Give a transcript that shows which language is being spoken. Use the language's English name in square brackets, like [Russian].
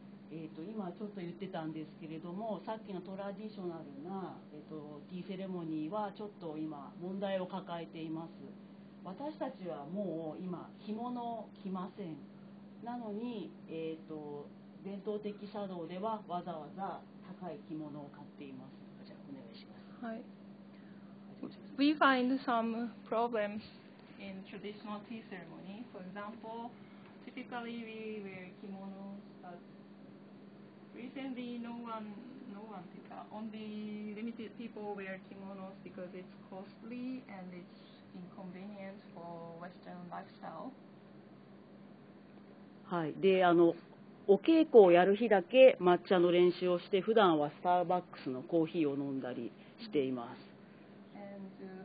[Japanese] 今ちょっと言ってたんですけれども、さっきのトラディショナルな、ティーセレモニーはちょっと今問題を抱えています。私たちはもう今着物を着ません。なのに、伝統的茶道ではわざわざ高い着物を買っています。じゃあお願いします。はい。 [English] We find some problems in traditional tea ceremony. For example, typically we wear kimonos, but recently no one pick up. Only limited people wear kimonos because it's costly and it's inconvenient for Western lifestyle. [Japanese] はい、でお稽古をやる日だけ抹茶の練習をして普段はスターバックスのコーヒーを飲んだりしています。